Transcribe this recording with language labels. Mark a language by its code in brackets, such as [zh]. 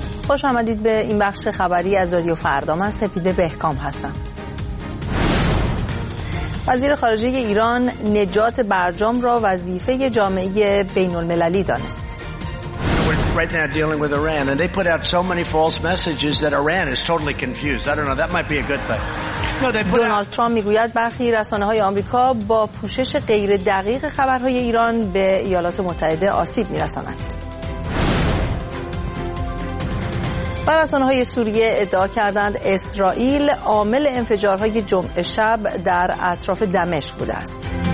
[fa] خوش آمدید به این بخش خبری از رادیو فردا. من سپیده بهکام هستم. وزیر خارجه ایران نجات برجام را وظیفه جامعه بین المللی دانست. [en] Right now dealing with Iran and they put out so many false messages that Iran is totally confused. I don't know, that might be a good thing. [fa] No, دونالد ترامپ میگوید برخی رسانه‌های آمریکا با پوشش غیر دقیق خبرهای ایران به ایالات متحده آسیب می‌رسانند. رسانه‌های سوریه ادعا کردند اسرائیل عامل انفجارهای جمعه شب در اطراف دمشق بوده است.